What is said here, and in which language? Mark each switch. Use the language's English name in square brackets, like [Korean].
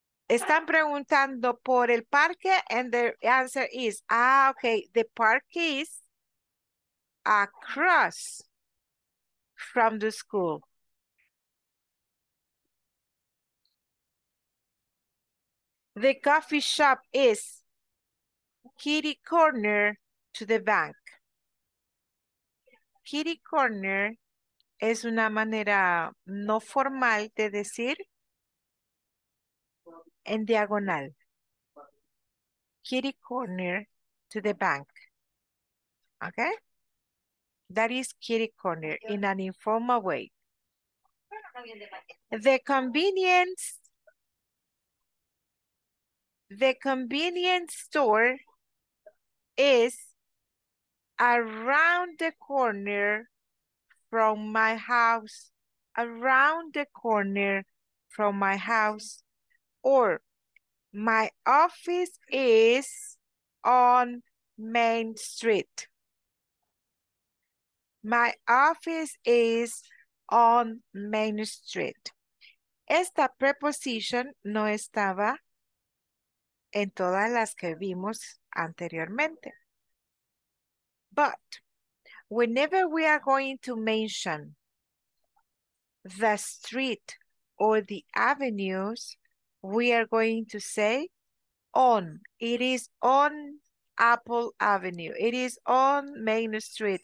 [Spanish] Están preguntando por el parque [English] and the answer is, okay, the park is across from the school. The coffee shop is kitty corner to the bank. Kitty corner [Spanish] es una manera no formal de decir en diagonal. [English] Kitty corner to the bank. Okay? That is kitty corner in an informal way. The convenience store is around the corner from my house, around the corner from my house, or my office is on Main Street. My office is on Main Street. [Spanish] Esta preposición no estaba en todas las que vimos anteriormente. [English] But whenever we are going to mention the street or the avenues, we are going to say on. It is on Apple Avenue. It is on Main Street.